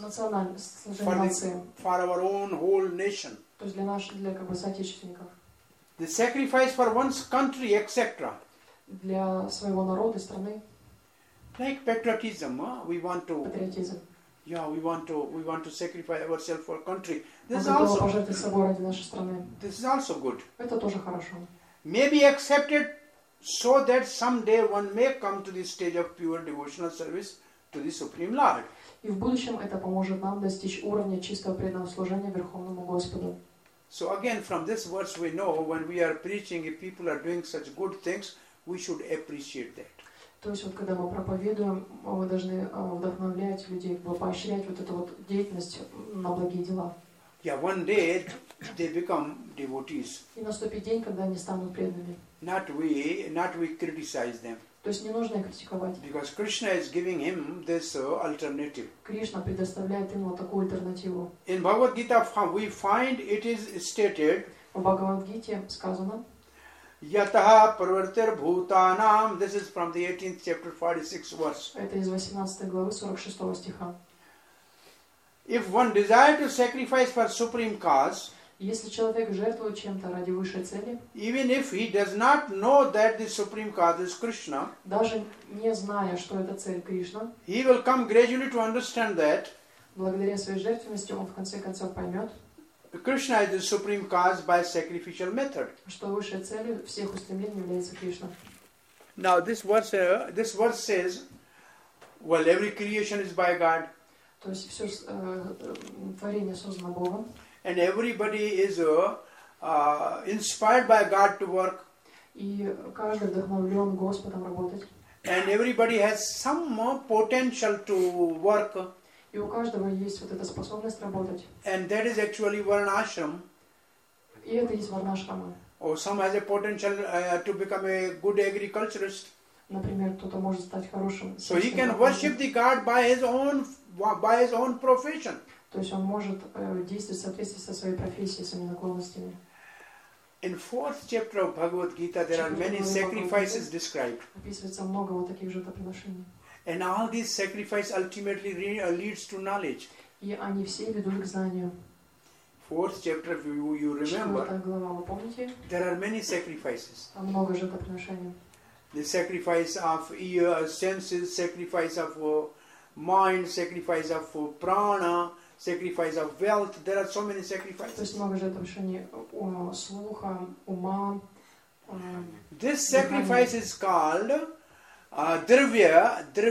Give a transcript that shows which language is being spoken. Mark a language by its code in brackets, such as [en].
[ru] Национальное служение нации. [en] For our own whole nation. [ru] То есть для наших, для как бы соотечественников. [en] The sacrifice for one's country, etc. [ru] Для своего народа, страны. [en] Like patriotism, we want to. [ru] Патриотизм. [en] Yeah, we want to sacrifice ourselves for country. This is also [ru] пожертвовать собой ради нашей страны. [en] This is also good. [ru] Это тоже хорошо. [en] Maybe accepted so that someday one may come to the stage of pure devotional service to the Supreme Lord. [ru] И в будущем это поможет нам достичь уровня чистого преданного служения Верховному Господу. [en] So again, from this verse, we know when we are preaching, if people are doing such good things, we should appreciate that. [ru] То есть вот когда мы проповедуем, мы должны вдохновлять людей, поощрять вот эту вот деятельность на благие дела. [en] Yeah, one day they become devotees. [ru] И наступит день, когда они станут преданными. [en] Not we criticize them. [ru] То есть не нужно их критиковать. [en] Because Krishna is giving him this alternative. [ru] Кришна предоставляет ему такую альтернативу. [en] In Bhagavad Gita we find it is stated. [ru] В Бхагавад Гите сказано. [sa] Yataha pravartir bhutanam. [en] This is from the 18th chapter, 46th verse. [ru] Это из 18 главы 46 стиха. [en] If one desires to sacrifice for supreme cause, [ru] если человек жертвует чем-то ради высшей цели, [en] even if he does not know that the supreme cause is Krishna, [ru] даже не зная, что это цель Кришна, [en] he will come gradually to understand that. [ru] Благодаря своей жертвенности он в конце концов поймет. [en] Krishna is the supreme cause by sacrificial method. [ru] Что высшей целью всех устремлений является Кришна. [en] Now this verse says, well, every creation is by God. [ru] То есть все творение создано Богом. [en] And everybody is inspired by God to work. [ru] И каждый вдохновлен Господом работать. [en] And everybody has some potential to work. [ru] И у каждого есть вот эта способность работать. [en] And that is actually varnashram. [ru] И это есть варнашрама. [en] Or some has a potential to become a good agriculturist. [ru] Например, кто-то может стать хорошим. [en] So he can worship the God by his own profession. [ru] То есть он может действовать в соответствии со своей профессией, своими наклонностями. [en] In fourth chapter of Bhagavad Gita there are many sacrifices described. [ru] Описывается много вот таких жертвоприношений. [en] And all these sacrifices ultimately leads to knowledge. [ru] И они все ведут к знанию. [en] Fourth chapter, you remember? [ru] Четвертая глава, вы помните? [en] There are many sacrifices. [ru] Там много жертвоприношений. [en] The sacrifice of senses, sacrifice of mind, sacrifice of prana, sacrifice of wealth. There are so many sacrifices. [ru] То есть много жертвоприношений слуха, ума. [en] This sacrifice is called. Dravya,